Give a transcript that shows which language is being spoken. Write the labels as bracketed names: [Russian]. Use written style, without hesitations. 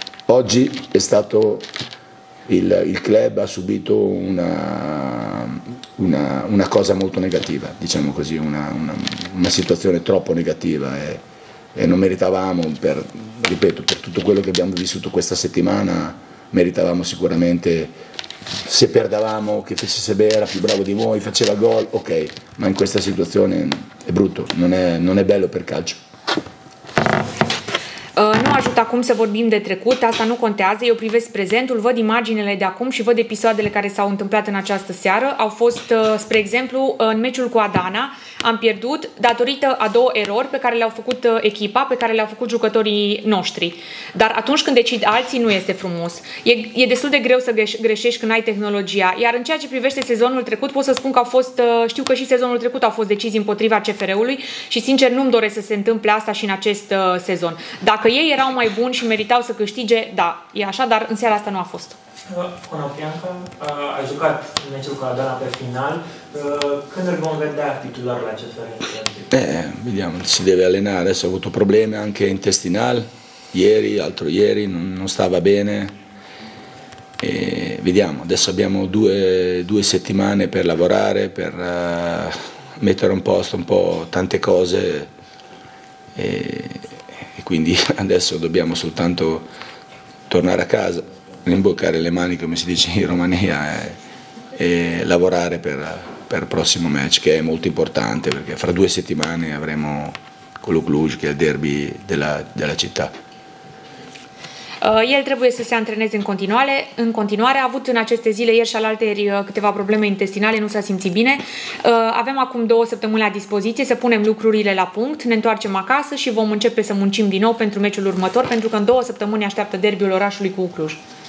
[Italian] Oggi è stato il club ha subito una cosa molto negativa, diciamo così, una situazione troppo negativa e non meritavamo, per tutto quello che abbiamo vissuto questa settimana, meritavamo sicuramente, se perdavamo, che FSSB era più bravo di noi, faceva gol, ok, ma in questa situazione è brutto, non è bello per calcio. [Romanian] Nu ajută acum să vorbim de trecut, asta nu contează, eu privesc prezentul, văd imaginele de acum și văd episoadele care s-au întâmplat în această seară. Au fost, spre exemplu, în meciul cu Adana, am pierdut datorită a două erori pe care le-au făcut echipa, pe care le-au făcut jucătorii noștri. Dar atunci când decid alții nu este frumos. E destul de greu să greșești când ai tehnologia. Iar în ceea ce privește sezonul trecut, pot să spun că știu că și sezonul trecut au fost decizii împotriva CFR-ului și sincer nu-mi doresc să se întâmple asta și în acest sezon. Dacă ei erau mai buni și meritau să câștige, da, e așa, dar în seara asta nu a fost. Conopianca a jucat meciul cu Adana pe final. Când îl vom vedea titular la CFR? [Italian] Vediamo, si deve allenare. Adesso ha avuto probleme anche intestinali. Ieri, altro ieri, non stava bene. E vediamo, adesso abbiamo due settimane per lavorare, per mettere in posto un po' tante cose. E quindi adesso dobbiamo soltanto tornare a casa, rimboccare le mani, come si dice in Romania, e lavorare per il prossimo match, che è molto importante, perché fra due settimane avremo quello Cluj, che è il derby della città. [Romanian] El trebuie să se antreneze în continuare, a avut în aceste zile ieri și alaltăieri câteva probleme intestinale, nu s-a simțit bine. Avem acum două săptămâni la dispoziție să punem lucrurile la punct, ne întoarcem acasă și vom începe să muncim din nou pentru meciul următor, pentru că în două săptămâni așteaptă derbiul orașului cu Cluj.